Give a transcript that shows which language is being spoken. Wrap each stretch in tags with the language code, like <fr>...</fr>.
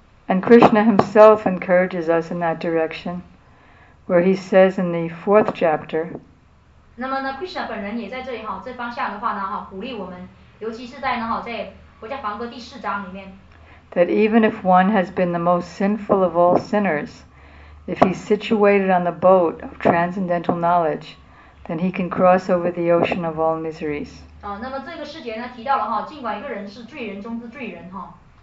<en>And Krishna himself encourages us in that direction, where he says in the fourth chapter,</en> <zh>那么呢，Krishna本人也在这里哈，这方向的话呢，鼓励我们，尤其是在呢，在国家梵歌第四章里面,</zh> <en>that even if one has been the most sinful of all sinners, if he's situated on the boat of transcendental knowledge, then he can cross over the ocean of all miseries.</en> <zh>那么这个世界呢，提到了哈，尽管一个人是罪人中之罪人哈。</zh>